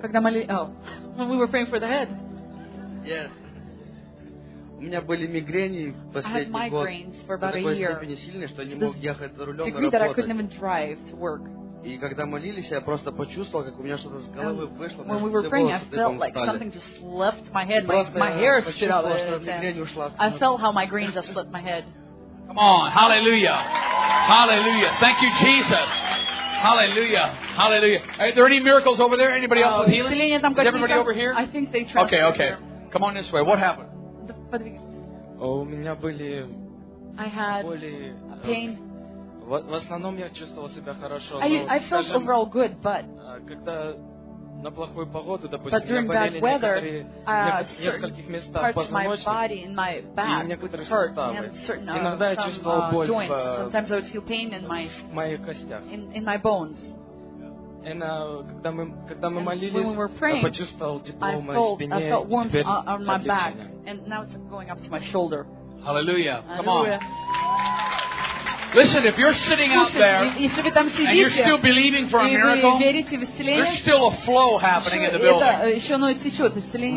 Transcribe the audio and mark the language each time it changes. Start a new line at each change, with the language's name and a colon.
Russian: Когда молились.
English: Oh. When we were praying for the head. Yes.
Russian: У меня были мигрени последний год.
English: I had migraines for about a year.
Russian: До такой степени сильные, что не мог ехать за рулем на работу.
English: That I couldn't even drive to work.
Russian: И когда молились, я просто почувствовал, как у меня что-то с головы вышло.
English: When we were praying, I felt like something just left my head. My hair stood out. I felt how migraines have split my head. Come on, hallelujah, hallelujah. Thank you, Jesus. Hallelujah, hallelujah. Are there any miracles over there? Anybody else with healing? Is everybody over here? I think they tried. Okay, okay. Come on this way. What happened?
Russian: Oh, у меня были.
English: I had a pain.
Russian: В основном я чувствовал себя хорошо.
English: I felt overall good, but
Russian: когда на плохую погоду, допустим, я болел нескольких местах позвоночника и некоторых суставах. Иногда я чувствовал боль в моих костях.
English: In my bones.
Russian: Когда мы молились, я почувствовал тепло в моей спине,
English: I felt warmth on my back, and now it's going up to my shoulder. Hallelujah! Come on. Listen, if you're sitting out there and you're still believing for a miracle, there's still a flow happening in the building.